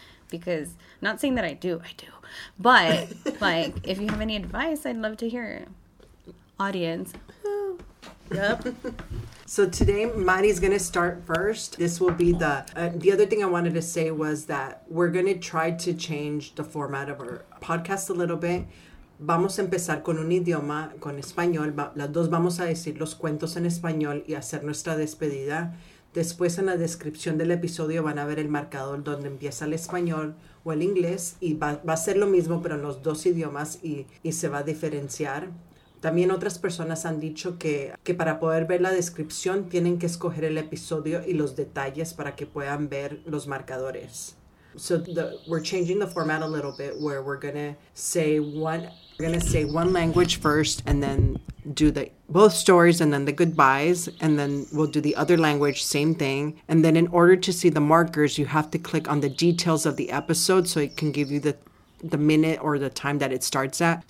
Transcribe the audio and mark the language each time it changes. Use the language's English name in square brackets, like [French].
[English] Because, not saying that I do. But, like, if you have any advice, I'd love to hear it. Audience. Yep. So today, Maddie's going to start first. This will be the other thing I wanted to say was that we're going to try to change the format of our podcast a little bit. [Spanish] Vamos a empezar con un idioma, con español. Las dos vamos a decir los cuentos en español y hacer nuestra despedida. Después, en la descripción del episodio, van a ver el marcador donde empieza el español o el inglés. Y va a ser lo mismo, pero en los dos idiomas y se va a diferenciar. También otras personas han dicho que para poder ver la descripción tienen que escoger el episodio y los detalles para que puedan ver los marcadores. [English] So we're changing the format a little bit where we're gonna say one language first and then do the both stories and then the goodbyes, and then we'll do the other language, same thing. And then in order to see the markers, you have to click on the details of the episode so it can give you the minute or the time that it starts at.